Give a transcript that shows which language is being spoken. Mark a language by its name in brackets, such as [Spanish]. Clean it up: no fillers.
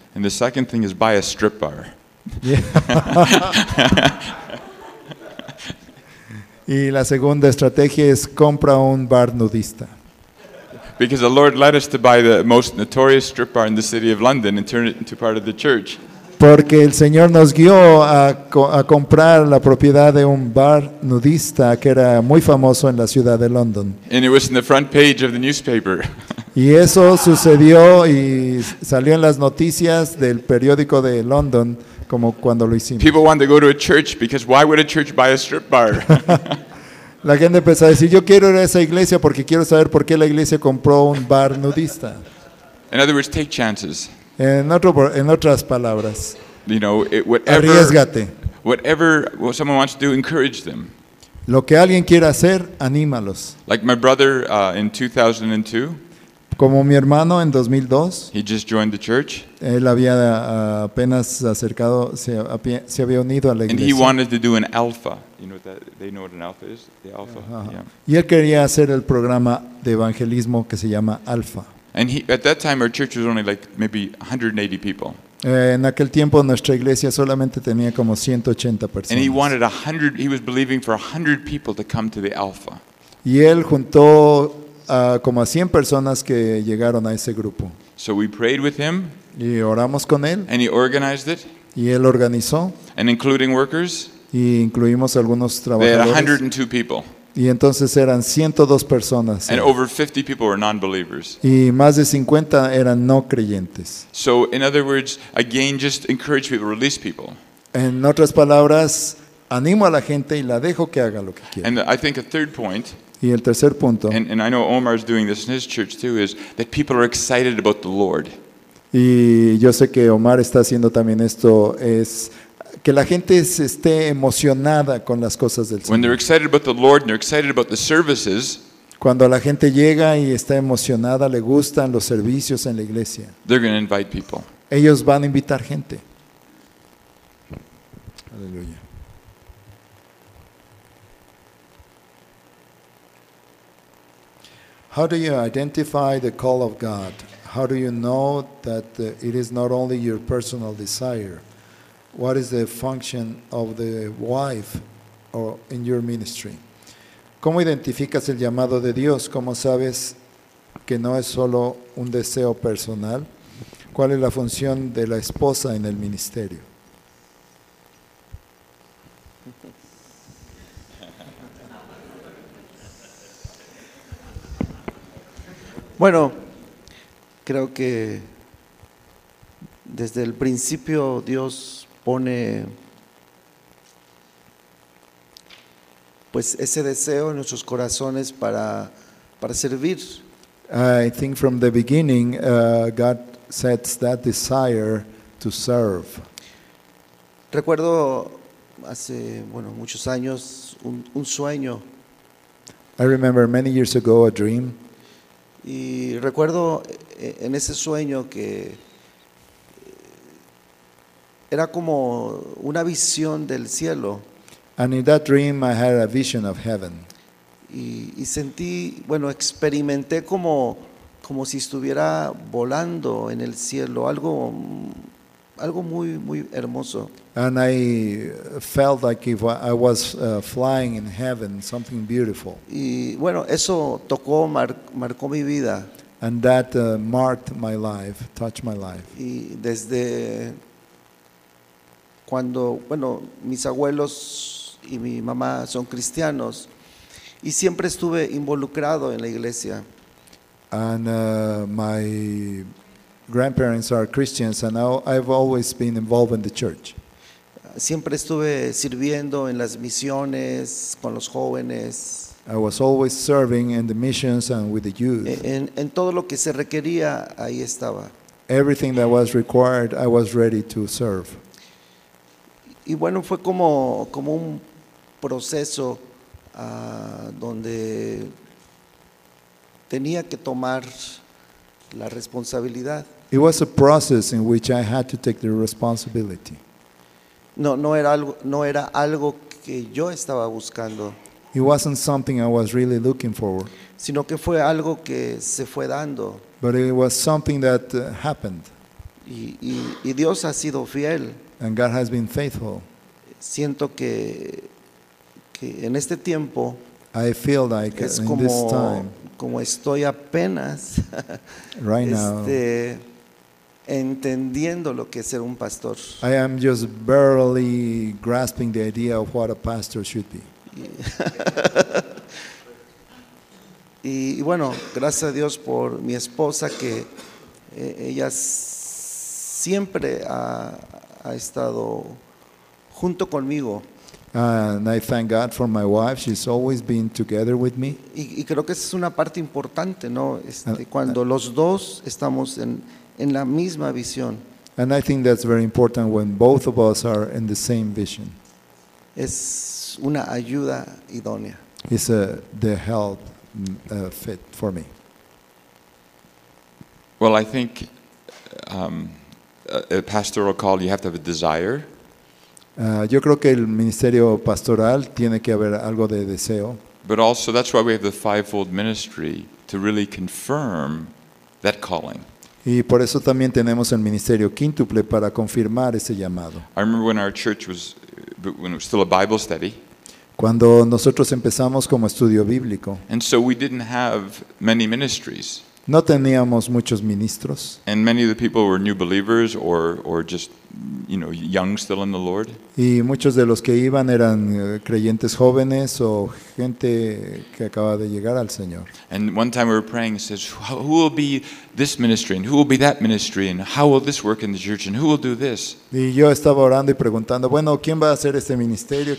[English] And the second thing is buy a strip bar. [Spanish] Yeah. Y la segunda estrategia es compra un bar nudista. [English] Because the Lord led us to buy the most notorious strip bar in the city of London and turn it into part of the church. [Spanish] Porque el Señor nos guió a comprar la propiedad de un bar nudista que era muy famoso en la ciudad de London. [English] And it was in the front page of the newspaper. [Spanish] Y eso sucedió y salió en las noticias del periódico de London como cuando lo hicimos. [English] People wanted to go to a church because why would a church buy a strip bar? [Spanish] La gente empezó a decir, yo quiero ir a esa iglesia porque quiero saber por qué la iglesia compró un bar nudista. [English] In other words, take chances. [Spanish] En otras palabras, [English] you know, whatever, [Spanish] arriesgate. [English] Whatever someone wants to do, encourage them. [Spanish] Lo que alguien quiera hacer, anímalos. [English] Like my brother in 2002. [Spanish] Como mi hermano en 2002. [English] He just joined the church. [Spanish] Él había apenas acercado, se había unido a la iglesia. [English] And he wanted to do an alpha. You know what they know what an alpha is? The alpha. Yeah. [Spanish] Y él quería hacer el programa de evangelismo que se llama alpha. [English] And he, at that time, our church was only like maybe 180 people. [Spanish] En aquel tiempo nuestra iglesia solamente tenía como 180 personas. [English] And he wanted 100. He was believing for 100 people to come to the alpha. [Spanish] Y él juntó como a 100 personas que llegaron a ese grupo. [English] So we prayed with him. [Spanish] Y oramos con él. [English] And he organized it. [Spanish] Y él organizó. [English] And including workers. [Spanish] Y incluimos algunos trabajadores. [English] They had 102 people. [Spanish] Y entonces eran 102 personas. [English] And over 50 people were non-believers. [Spanish] Y más de 50 eran no creyentes. [English] So in other words, again, just encourage people, release people. [Spanish] En otras palabras, animo a la gente y la dejo que haga lo que quiera. [English] And I think a third point. [Spanish] Y el tercer punto. [English] And I know Omar's doing this in his church too, is that people are excited about the Lord. [Spanish] Y yo sé que Omar está haciendo también esto, es que la gente esté emocionada con las cosas del Señor. [English] When they're excited about the Lord and they're excited about the services, [Spanish] cuando la gente llega y está emocionada, le gustan los servicios en la iglesia. [English] They're going to invite people. [Spanish] Ellos van a invitar gente. Aleluya. [English] How do you identify the call of God? How do you know that it is not only your personal desire? What is the function of the wife or in your ministry? [Spanish] ¿Cómo identificas el llamado de Dios? ¿Cómo sabes que no es solo un deseo personal? ¿Cuál es la función de la esposa en el ministerio? Bueno, creo que desde el principio Dios pone pues ese deseo en nuestros corazones para servir. [English] I think from the beginning God sets that desire to serve. [Spanish] Recuerdo hace bueno muchos años un sueño. [English] I remember many years ago a dream. [Spanish] Y recuerdo en ese sueño que era como una visión del cielo. [English] And in that dream I had a vision of heaven. [Spanish] Y sentí, bueno, experimenté como si estuviera volando en el cielo, algo muy muy hermoso. [English] And I felt like if I was flying in heaven, something beautiful. [Spanish] Y bueno, eso tocó marcó mi vida. [English] And that marked my life, touched my life. [Spanish] Y desde cuando, bueno, mis abuelos y mi mamá son cristianos, y siempre estuve involucrado en la iglesia. [English] And my grandparents are Christians, and I've always been involved in the church. [Spanish] Siempre estuve sirviendo en las misiones con los jóvenes. [English] I was always serving in the missions and with the youth. [Spanish] En todo lo que se requería, ahí estaba. [English] Everything that was required, I was ready to serve. [Spanish] Y bueno, fue como un proceso donde tenía que tomar la responsabilidad. [English] It was a process in which I had to take the responsibility. [Spanish] No era algo que yo estaba buscando. [English] It wasn't something I was really looking for. [Spanish] Sino que fue algo que se fue dando. [English] But it was something that happened. [Spanish] Y Dios ha sido fiel. [English] And God has been faithful. [Spanish] Siento que en este tiempo, [English] I feel like [Spanish] es [English] in this time, [Spanish] como estoy apenas [English] right now, [Spanish] entendiendo lo que es ser un pastor. [English] I am just barely grasping the idea of what a pastor should be. [Spanish] Y bueno, gracias a Dios por mi esposa, que ella siempre ha estado junto conmigo. [English] And I thank God for my wife. She's always been together with me. [Spanish] Y creo que esa es una parte importante, ¿no? Cuando los dos estamos en la misma visión. [English] And I think that's very important when both of us are in the same vision. [Spanish] Es una ayuda idónea. [English] It's the help fit for me. Well, I think a pastoral call, you have to have a desire. [Spanish] Yo creo que el ministerio pastoral tiene que haber algo de deseo. [English] But also, that's why we have the fivefold ministry, to really confirm that calling. [Spanish] Y por eso también tenemos el ministerio quíntuple, para confirmar ese llamado. [English] I remember when our church was, when it was still a Bible study. [Spanish] Cuando nosotros empezamos como estudio bíblico. [English] And so we didn't have many ministries. [Spanish] No teníamos muchos ministros. [English] And many of the people were new believers or just, you know, young still in the Lord. [Spanish] Y muchos de los que iban eran creyentes jóvenes o gente que acaba de llegar al Señor. [English] And one time we were praying, it says, who will be this ministry and who will be that ministry and how will this work in the church and who will do this? [Spanish] Y yo estaba orando y preguntando, bueno, ¿quién va a hacer este ministerio?